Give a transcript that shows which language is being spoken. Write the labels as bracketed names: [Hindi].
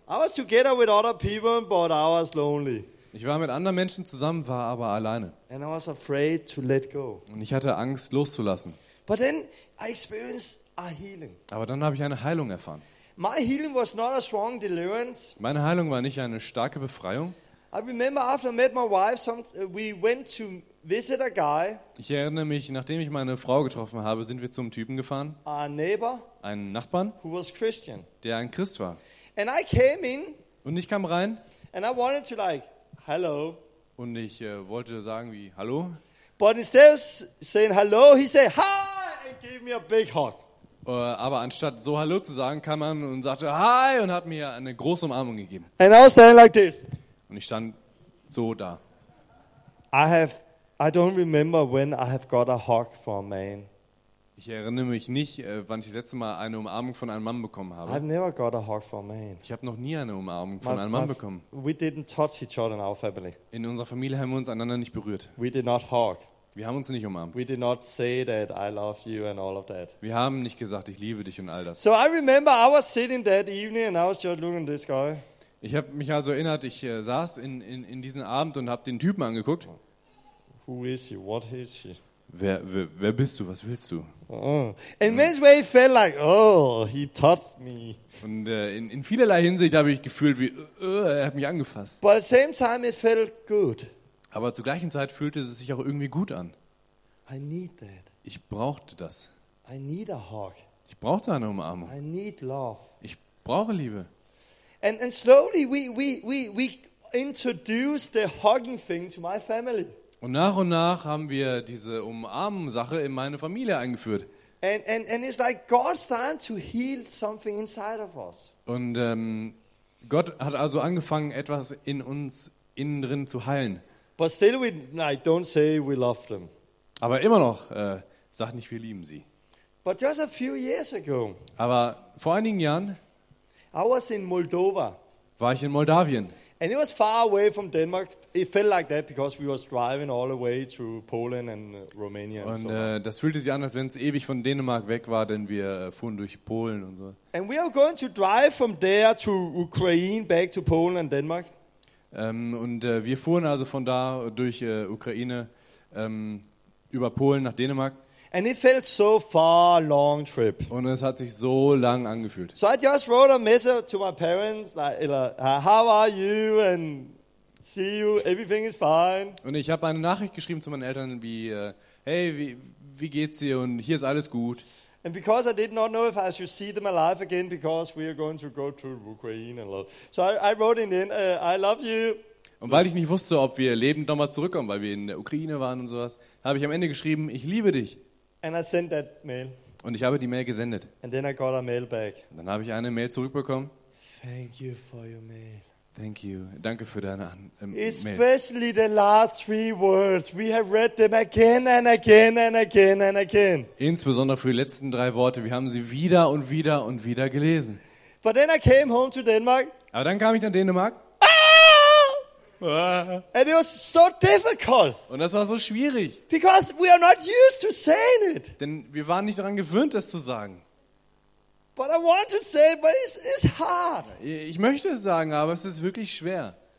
[English] I was together with other people, but I was lonely. [German] Ich war mit anderen Menschen zusammen, war aber alleine. [English] And I was afraid to let go. [German] Und ich hatte Angst, loszulassen. [English] But then I experienced a healing. [German] Aber dann habe ich eine Heilung erfahren. [English] My healing was not a strong deliverance. [German] Meine Heilung war nicht eine starke Befreiung. [English] I remember after I met my wife, we went to visit a guy. [German] Ich erinnere mich, nachdem ich meine Frau getroffen habe, sind wir zum Typen gefahren. [English] A neighbor. [German] Ein Nachbarn. [English] Who was Christian. [German] Der ein Christ war. [English] And I came in. [German] Und ich kam rein. [English] And I wanted to like hello. [German] Und ich wollte sagen wie hallo. [English] But instead of saying hello, he said hi. Gave me a big hug. [German] Aber anstatt so Hallo zu sagen, kam er und sagte Hi und hat mir eine große Umarmung gegeben. [English] And I was standing like this. [German] Und ich stand so da. [English] I don't remember when I have got a hug from a man. [German] Ich erinnere mich nicht, wann ich das letzte Mal eine Umarmung von einem Mann bekommen habe. [English] I've never got a hug from a man. [German] Ich habe noch nie eine Umarmung von einem Mann bekommen. [English] We didn't touch each other in our family. [German] In unserer Familie haben wir uns einander nicht berührt. [English] We did not hug. [German] Wir haben uns nicht umarmt. [English] We did not say that I love you and all of that. [German] Wir haben nicht gesagt, ich liebe dich und all das. [English] So I remember I was sitting that evening and I was just looking at this guy. [German] Ich habe mich also erinnert, ich saß in diesen Abend und habe den Typen angeguckt. [English] Who is he? What is he? [German] Wer bist du? Was willst du? Oh. [English] And in many ways felt like, oh, he touched me. [German] Und in vielerlei Hinsicht habe ich gefühlt, wie er hat mich angefasst. [English] But at the same time it felt good. [German] Aber zur gleichen Zeit fühlte es sich auch irgendwie gut an. [English] I need that. [German] Ich brauchte das. [English] I need a hug. [German] Ich brauchte eine Umarmung. [English] I need love. [German] Ich brauche Liebe. [English] And slowly we introduced the hugging thing to my family. [German] Und nach haben wir diese Umarmen-Sache in meine Familie eingeführt. [English] And it's like God's time to heal something inside of us. [German] Und Gott hat also angefangen, etwas in uns innen drin zu heilen. [English] But still we don't say we love them. [German] Aber immer noch sag nicht wir lieben sie. [English] But just a few years ago. [German] Aber vor einigen Jahren. [English] I was in Moldova. [German] War ich in Moldawien. [English] And it was far away from Denmark. It felt like that because we were driving all the way through Poland and Romania. [German] Und das fühlte sich an, als wenn es ewig von Dänemark weg war, denn wir fuhren durch Polen und so. [English] And we are going to drive from there to Ukraine back to Poland and Denmark. [German] Wir fuhren also von da durch Ukraine über Polen nach Dänemark. [English] And it felt so far, long trip. [German] Und es hat sich so lang angefühlt. [English] So I just wrote a message to my parents, like, how are you and see you, everything is fine. [German] Und ich habe eine Nachricht geschrieben zu meinen Eltern, wie, hey, wie geht's dir und hier ist alles gut. [English] And because I did not know if I should see them alive again, because we are going to go to Ukraine and love. So I wrote in the end, I love you. [German] Und weil ich nicht wusste, ob wir lebend nochmal zurückkommen, weil wir in der Ukraine waren und sowas, habe ich am Ende geschrieben, ich liebe dich. [English] And I sent that mail. [German] Und ich habe die Mail gesendet. [English] And then I got a mail back. [German] Und dann habe ich eine Mail zurückbekommen. [English] Thank you for your mail. Thank you. [German] Danke für deine [English] Mail. Especially the last three words. We have read them again and again and again and again. [German] Insbesondere für die letzten drei Worte. Wir haben sie wieder und wieder und wieder gelesen. [English] But then I came home to Denmark. [German] Aber dann kam ich nach Dänemark. [English] Ah! And it was so difficult. [German] Und das war so schwierig. [English] Because we are not used to saying it. [German] Denn wir waren nicht daran gewöhnt, es zu sagen. [English] But I want to say, but it's hard. [German] Ich möchte es sagen, aber es ist wirklich schwer.